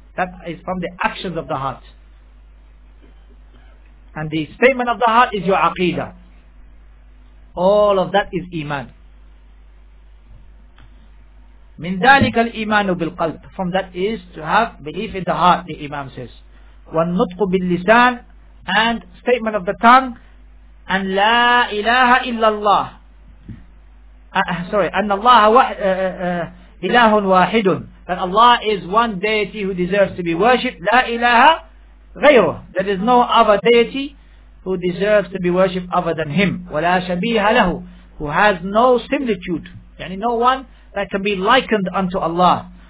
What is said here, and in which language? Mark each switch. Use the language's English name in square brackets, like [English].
[English] That is from the actions of the heart. And the statement of the heart is your aqidah. All of that is iman. [Arabic] من ذلك الإيمان بالقلب. [English] From that is to have belief in the heart, the Imam says. [Arabic] والنطق باللسان [English] and statement of the tongue [Arabic] أن لا إله إلا الله. أن الله إله واحد. [English] That Allah is one deity who deserves to be worshipped. [Arabic] لا إله غيره. [English] There is no other deity who deserves to be worshipped other than Him. [Arabic] ولا شبيه له. [English] Who has no similitude. يعني no one that can be likened unto Allah.